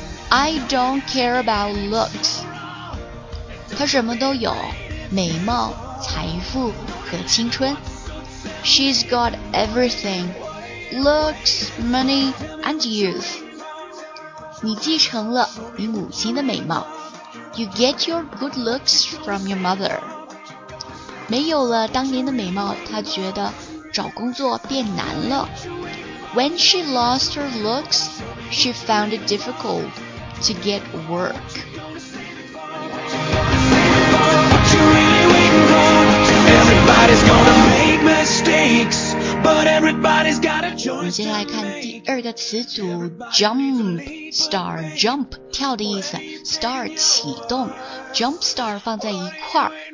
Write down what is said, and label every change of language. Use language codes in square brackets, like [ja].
[en] I don't care about looks。 [zh] 他什么都有，美貌、财富和青春。 [en] She's got everything, looks, money, and youth. [zh] 你继承了你母亲的美貌。 [en] You get your good looks from your mother. [zh] 没有了当年的美貌，她觉得找工作变难了。 [en] When she lost her looks, she found it difficult to get work. Everybody's gonna make mistakes, but everybody's got a choice. [zh] 我们先来看第二个词组 jump star jump 跳的意思 star 启动 jump star 放在一块儿，